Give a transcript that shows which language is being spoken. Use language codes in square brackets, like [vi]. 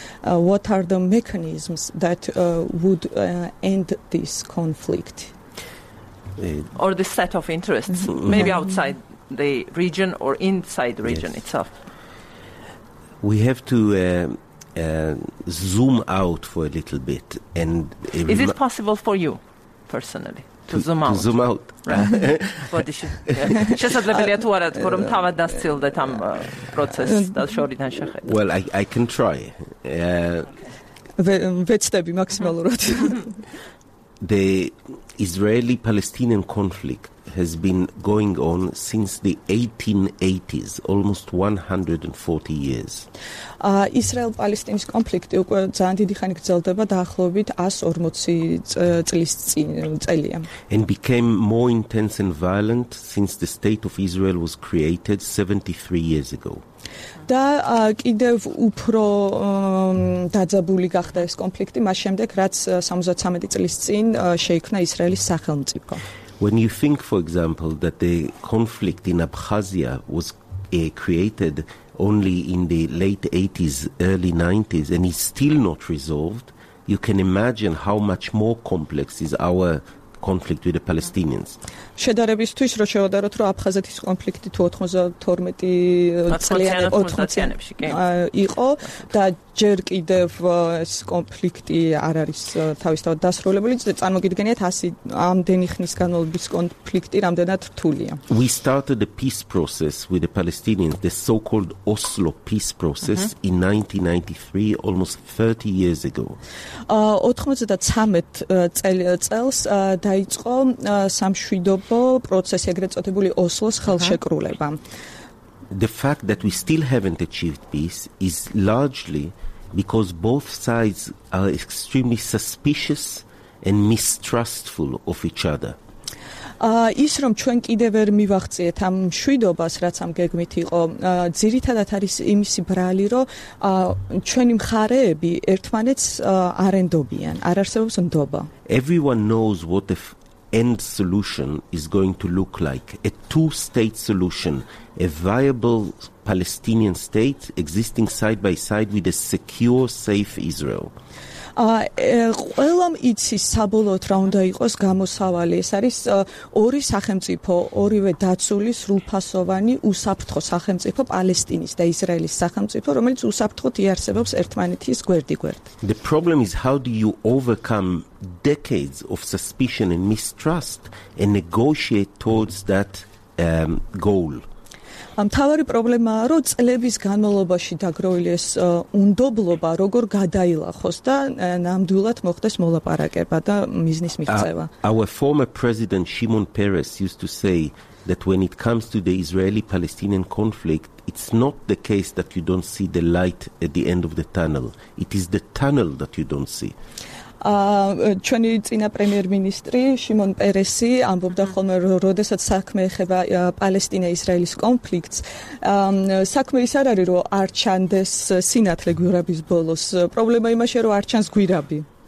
[en] What are the mechanisms that would end this conflict? Or the set of interests, maybe outside the region or inside the region yes. itself? We have to zoom out for a little bit. Is it possible for you? Personally to zoom out to zoom out what is it [ka] შესაძლებელია თუ არა თქო რომ თავად დასცილდეთ ამ პროცესს და შორიდან შეხედეთ [en] well I can try [ka] ვეცდები მაქსიმალურად [en] the israeli palestinian conflict has been going on since the 1880s almost 140 years. [ka] Israel-Palestine conflict უკვე ძალიან დიდი ხანი გრძელდება დაახლოებით 140 წლის წელია. [en] And became more intense and violent since the state of Israel was created 73 years ago. [ka] და კიდევ უფრო დაძაბული გახდა ეს კონფლიქტი მას შემდეგ რაც 73 წლის წინ შეიქმნა ისრაელის სახელმწიფო. [en] When you think, for example, that the conflict in Abkhazia was created only in the late 80s, early 90s, and it's still not resolved, you can imagine how much more complex is our conflict with the Palestinians. [ka] შედარებისთვის რო შევადაროთ რომ აფხაზეთის კონფლიქტი 92 წლიანი 90-იანებში კი იყო და ჯერ კიდევ ეს კონფლიქტი არ არის თავისთავად დასრულებული წარმოგიდგენიათ 100 ამდენი ხნის განმავლობის კონფლიქტი რამდენად რთულია. [en] We started the peace process with the Palestinians, the so-called Oslo peace process in 1993, almost 30 years ago. [ka] 93 წელს დაიწყო სამშვიდობო პროცესი ეგრეთ წოდებული ოსლოს ხელშეკრულება. [en] The fact that we still haven't achieved peace is largely because both sides are extremely suspicious and mistrustful of each other. [ka] ის რომ ჩვენ კიდევ ვერ მივაღწიეთ ამ მშვიდობას, რაც ამ გეგმით იყო, ძირითადად არის იმისი ბრალი, რომ ჩვენი მხარეები ერთმანეთს არ ენდობიან, არ არსებობს ნდობა. [en] Everyone knows what the end solution is going to look like, a two-state solution, a viable Palestinian state existing side by side with a secure, safe Israel. [ka] ყველამ იცის საბოლოოდ რა უნდა იყოს გამოსავალი. ეს არის ორი სახელმწიფო, ორივე დაცული სრულფასოვანი უსაფრთხო სახელმწიფო, პალესტინის და ისრაელის სახელმწიფო, რომელიც უსაფრთხოდ იარსებებს ერთმანეთის გვერდიგვერდ. [en] The problem is how do you overcome decades of suspicion and mistrust and negotiate towards that goal? [ka] მთავარი პრობლემაა, რომ წლების განმავლობაში დაგროვილი ეს უნდობლობა როგორ გადაილახოს და ნამდვილად მოხდეს მოლაპარაკება და მიზნის მიღწევა. [en] Our former president Shimon Peres used to say that when it comes to the Israeli-Palestinian conflict, it's not the case that you don't see the light at the end of the tunnel. It is the tunnel that you don't see. [ka] ჩვენი წინა პრემიერ-მინისტრი შიმონ პერესი ამბობდა ხოლმე, რომ როდესაც საქმე ეხება პალესტინა-ისრაელის კონფლიქტს, საქმე ის არ არის, რომ არ ჩანდეს სინათლე გვირაბის ბოლოს. პრობლემა იმაშია, რომ არ ჩანს გვირაბი.